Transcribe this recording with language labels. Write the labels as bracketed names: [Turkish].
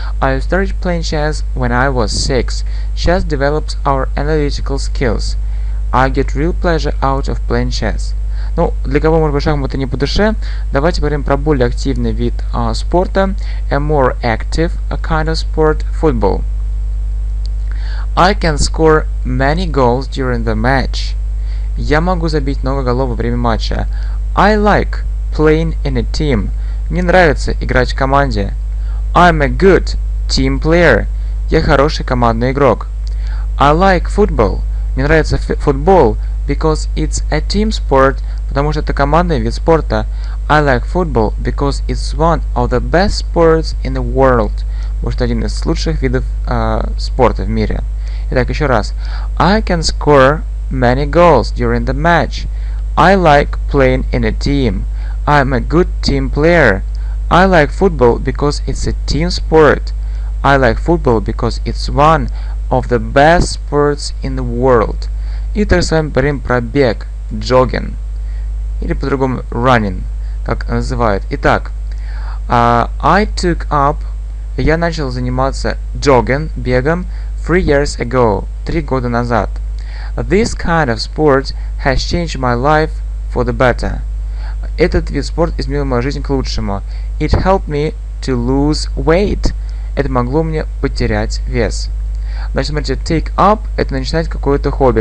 [English] I started playing chess when I was 6. Chess develops our analytical skills. I get real pleasure out of playing chess. [Russian] Ну, для кого, может быть, шахматы не по душе, давайте поговорим про более активный вид спорта. [English] A more active a kind of sport, football. I can score many goals during the match. [Russian] Я могу забить много голов во время матча. [English] I like playing in a team. [Russian] Мне нравится играть в команде. [English] I'm a good team player. [Russian] Я хороший командный игрок. [English] I like football. [Russian] Мне нравится футбол, [English] because it's a team sport, [Russian] потому что это командный вид спорта. [English] I like football, because it's one of the best sports in the world. [Russian] Потому что один из лучших видов спорта в мире. Итак, еще раз. [English] I can score many goals during the match. I like playing in a team. I'm a good team player. I like football because it's a team sport. I like football because it's one of the best sports in the world. [Russian] И так с вами поговорим про бег, jogging, или по-другому running, как называют. Итак, [English] I took up, [Russian] я начал заниматься jogging, бегом, [English] 3 years ago, [Russian] 3 года назад. [English] This kind of sport has changed my life for the better. [Russian] Этот вид спорта изменил мою жизнь к лучшему. [English] It helped me to lose weight. [Russian] Это могло мне потерять вес. Значит, смотрите, take up – это начинать какое-то хобби.